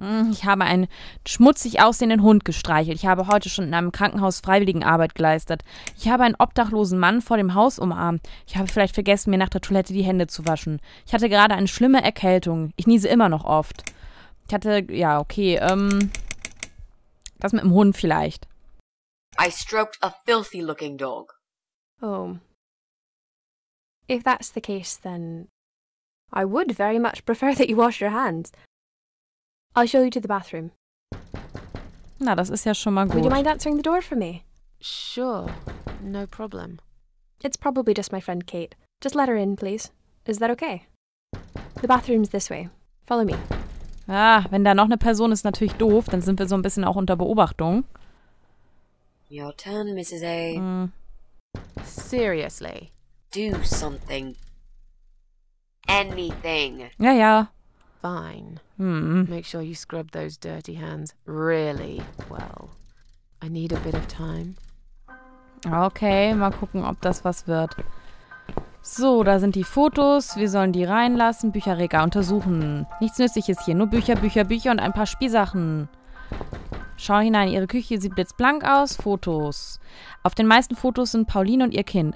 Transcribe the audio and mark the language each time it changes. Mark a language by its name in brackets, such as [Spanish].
[German] Ich habe einen schmutzig aussehenden Hund gestreichelt. Ich habe heute schon in einem Krankenhaus Freiwilligenarbeit geleistet. Ich habe einen obdachlosen Mann vor dem Haus umarmt. Ich habe vielleicht vergessen, mir nach der Toilette die Hände zu waschen. Ich hatte gerade eine schlimme Erkältung. Ich niese immer noch oft. Ich hatte, ja, okay, das mit dem Hund vielleicht. [English] I stroked a filthy-looking dog. Oh. If that's the case, then I would very much prefer that you wash your hands. I'll show you to the bathroom. [German] Na, das ist ja schon mal gut. [English] Would you mind answering the door for me? Sure, no problem. It's probably just my friend Kate. Just let her in, please. Is that okay? The bathroom's this way. Follow me. [German] Ah, wenn da noch eine Person ist, natürlich doof. Dann sind wir so ein bisschen auch unter Beobachtung. [English] Your turn, Mrs. A. Seriously. Do something. Anything. [German] Ja, ja. [English] Fine. Mm. Make sure you scrub those dirty hands really well. I need a bit of time. [German] Okay, mal gucken, ob das was wird. So, da sind die Fotos. Wir sollen die reinlassen. Bücherregal untersuchen. Nichts Nützliches hier. Nur Bücher, Bücher, Bücher und ein paar Spielsachen. Schau hinein, ihre Küche sieht blitzblank aus. Fotos. Auf den meisten Fotos sind Pauline und ihr Kind.